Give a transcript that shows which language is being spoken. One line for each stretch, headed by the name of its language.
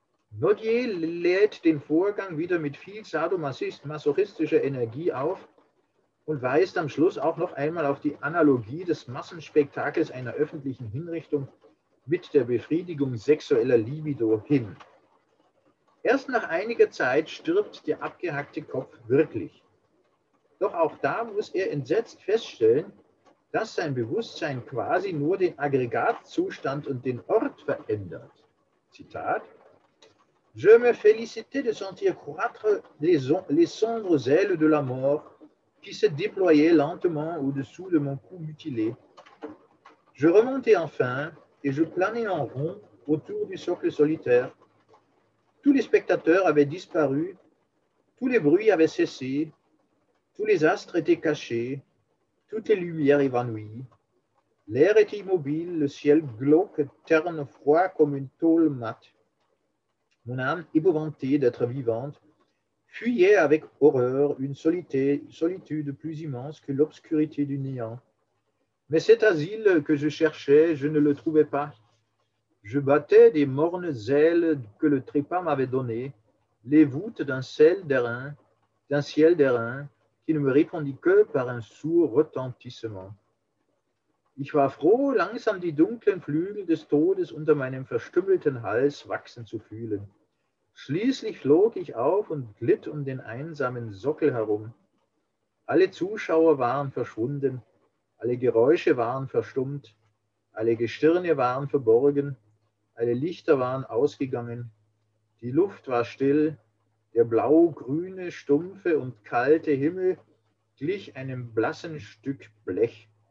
German: Nodier lädt den Vorgang wieder mit viel sadomasochistischer Energie auf und weist am Schluss auch noch einmal auf die Analogie des Massenspektakels einer öffentlichen Hinrichtung mit der Befriedigung sexueller Libido hin. Erst nach einiger Zeit stirbt der abgehackte Kopf wirklich. Doch auch da muss er entsetzt feststellen, dass sein Bewusstsein quasi nur den Aggregatzustand und den Ort verändert.
French: Zitat: Je me félicite de sentir croître les sombres ailes de la mort qui se déployaient lentement au-dessous de mon cou mutilé. Je remontais enfin et je planais en rond autour du socle solitaire. Tous les spectateurs avaient disparu, tous les bruits avaient cessé, tous les astres étaient cachés, toutes les lumières évanouies. L'air était immobile, le ciel glauque, terne, froid comme une tôle mate. Mon âme, épouvantée d'être vivante, fuyait avec horreur une solitude plus immense que l'obscurité du néant. Mais cet asile que je cherchais, je ne le trouvais pas. Je battais des mornes ailes que le trépas m'avait données, les voûtes d'un ciel d'airain, qui ne me répondit que par un sourd retentissement.
German: Ich war froh, langsam die dunklen Flügel des Todes unter meinem verstümmelten Hals wachsen zu fühlen. Schließlich flog ich auf und glitt um den einsamen Sockel herum. Alle Zuschauer waren verschwunden, alle Geräusche waren verstummt, alle Gestirne waren verborgen, alle Lichter waren ausgegangen, die Luft war still, der blau-grüne, stumpfe und kalte Himmel glich einem blassen Stück Blech.